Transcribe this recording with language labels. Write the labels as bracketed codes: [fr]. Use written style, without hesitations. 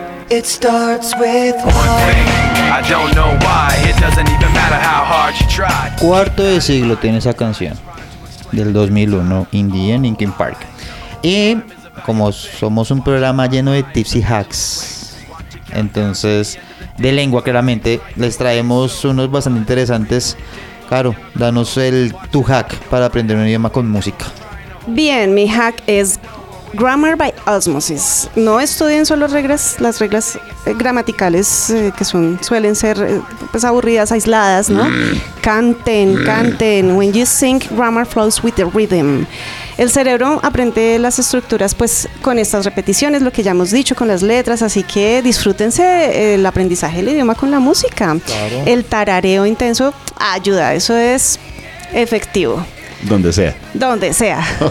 [en] It starts with one thing. I don't know why. It doesn't even matter how hard you try. [es] Cuarto de siglo tiene esa canción. Del 2001, Indie en Linkin Park. Y como somos un programa lleno de tips y hacks, entonces, de lengua claramente, les traemos unos bastante interesantes. Caro, danos el tu hack para aprender un idioma con música. Bien, mi hack es Grammar by Osmosis. No estudien solo reglas, las reglas gramaticales que son, suelen ser pues aburridas, aisladas, ¿no? Canten, canten. [en] When you sing, grammar flows with the rhythm. [es] El cerebro aprende las estructuras pues con estas repeticiones, lo que ya hemos dicho, con las letras, así que disfrútense el aprendizaje del idioma con la música. Claro. El tarareo intenso ayuda, eso es efectivo. Donde sea. Donde sea.